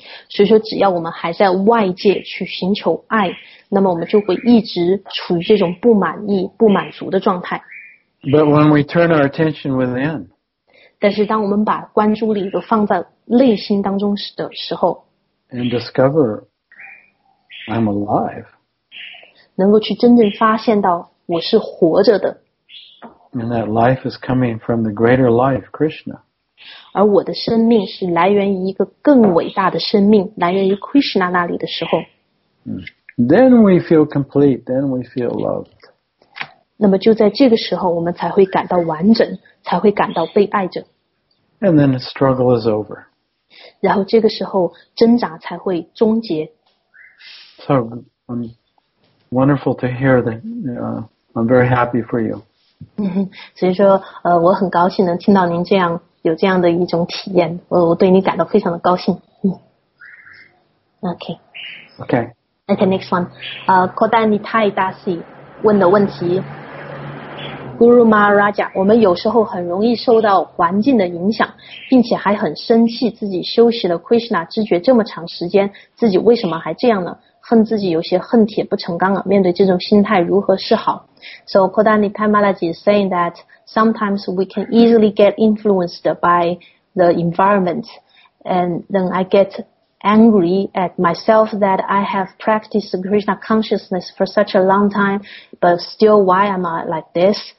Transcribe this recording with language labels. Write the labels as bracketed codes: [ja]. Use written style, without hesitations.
[zh] 所以说只要我们还在外界去寻求爱，那么我们就会一直处于这种不满意不满足的状态。 [en] But when we turn our attention within, [zh] 但是当我们把关注力都放在内心当中的时候 [en] ，and discover I'm alive， [zh] 能够去真正发现到我是活着的 [en] ，and that life is coming from the greater life Krishna， [zh] 而我的生命是来源于一个更伟大的生命，来源于 Krishna 那里的时候 [en] ，then we feel complete， then we feel loved。 [zh] 那么就在这个时候，我们才会感到完整，才会感到被爱着。 [en] And then the struggle is over. [zh] 然后这个时候挣扎才会终结。 [en] So, wonderful to hear that. I'm very happy for you. [zh] 所以说，我很高兴能听到您这样有这样的一种体验，我对你感到非常的高兴。 [en] Okay. Okay. Okay, next one. Kodani Tai Dasi [zh] 问的问题。 Guru Maharaja， 我们有时候很容易受到环境的影响，并且还很生气自己休息了 Krishna 知觉这么长时间，自己为什么还这样呢？恨自己有些恨铁不成钢啊！面对这种心态，如何是好 [en] ？So Kodani Tai Maharaja is saying that sometimes we can easily get influenced by the environment, and then I get angry at myself that I have practiced Krishna consciousness for such a long time, but still, why am I like this?